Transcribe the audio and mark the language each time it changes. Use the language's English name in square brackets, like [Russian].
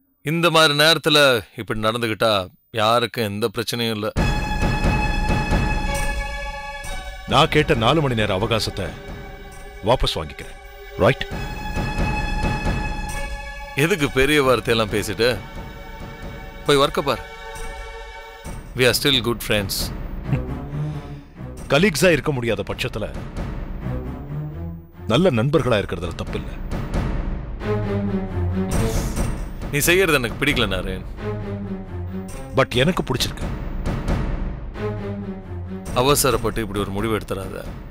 [Tamil] இந்த மாதிரி நேரத்தில் இப்படி நடந்துகிட்டா யாருக்கும் எந்த பிரச்சனையும் இல்லை. நான் கேட்ட 4 மணி நேர அவகாசத்தை வாபஸ் வாங்கிக்கிறேன், ரைட்? எதுக்கு பெரிய வார்த்தையெல்லாம் பேசிட்டு? போய் வர்க்க பார், [English] we are still good friends. [Tamil] Colleagues ஆ இருக்க முடியாத பட்சத்துல நல்ல நண்பர்களா இருக்கிறதுல தப்பு இல்ல. நீ செய்யறது எனக்கு பிடிக்கல நரேன், பட் எனக்கு பிடிச்சிருக்கு. அவசரப்பட்டு இப்படி ஒரு முடிவு எடுத்துறாத.